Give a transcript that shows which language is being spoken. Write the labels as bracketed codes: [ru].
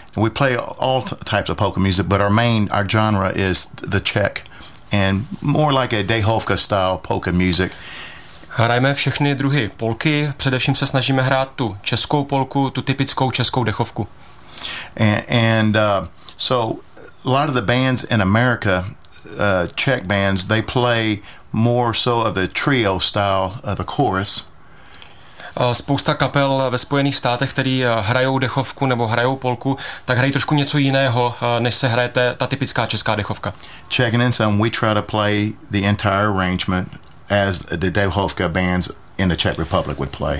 [en] We play all types of polka music, but our genre is the Czech. And more like a Dejhovka style polka music. [cs] Hrajeme všechny druhy polky, především se snažíme hrát tu českou polku, tu typickou českou dechovku. [en] And so a lot of the bands in America, Czech bands, they play more so of the trio style, the chorus. [cs] Spousta kapel ve Spojených státech, který hrajou dechovku nebo hrajou polku, tak hrají trošku něco jiného, než se hraje ta typická česká dechovka. [en] Checking in some, we try to play the entire arrangement as the Dejhovka bands in the Czech Republic would play.